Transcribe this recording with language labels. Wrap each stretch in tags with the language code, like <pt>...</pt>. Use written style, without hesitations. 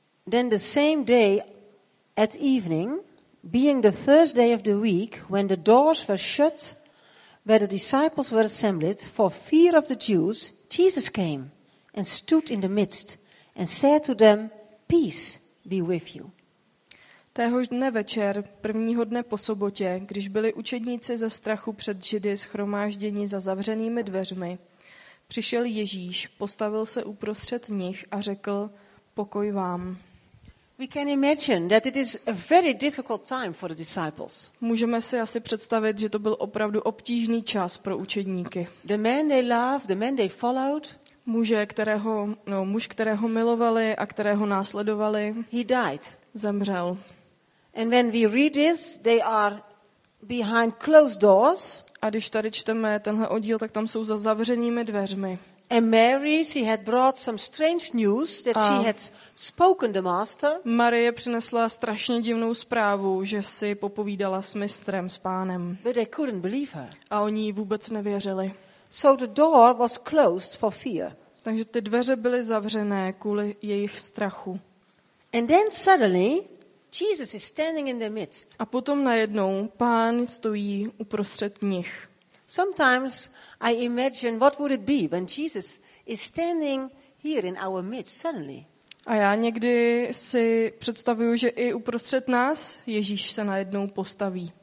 <en>Then the same day at evening, being the Thursday of the week, when the doors were shut, where the disciples were assembled for fear of the Jews, Jesus came and stood in the midst and said to them, "Peace be with you."</en> <cs>Téhož dne večer, prvního dne po sobotě, když byli učedníci ze strachu před Židy shromážděni za zavřenými dveřmi, přišel Ježíš, postavil se uprostřed nich a řekl, pokoj vám.</cs> <en>We can imagine that it is a very difficult time for the disciples.</en> <cs>Můžeme si asi představit, že to byl opravdu obtížný čas pro učedníky.</cs> <en>The man they loved, the man they followed,</en> <cs>muž, kterého milovali a kterého následovali.</cs> <en>He died.</en> <cs>Zemřel.</cs> <en>And when we read this, they are behind closed doors.</en> <cs>A když tady čteme tenhle oddíl, tak tam jsou za zavřenými dveřmi.</cs> <en>And Mary, she had brought some strange news that she had spoken the master.</en> <cs>Marie přinesla strašně divnou zprávu, že si popovídala s mistrem, s pánem.</cs> <en>But they couldn't believe her.</en> <cs>A oni jí vůbec nevěřili.</cs> <en>So the door was closed for fear.</en> <cs>Takže ty dveře byly zavřené kvůli jejich strachu.</cs> <en>And then suddenly Jesus is standing in the midst.</en> <cs>A potom najednou pán stojí uprostřed nich.</cs> <en>Sometimes I imagine what would it be when Jesus is standing here in our midst suddenly.</en> <cs>A já někdy si představuju, že i uprostřed nás Ježíš se najednou postaví.</cs>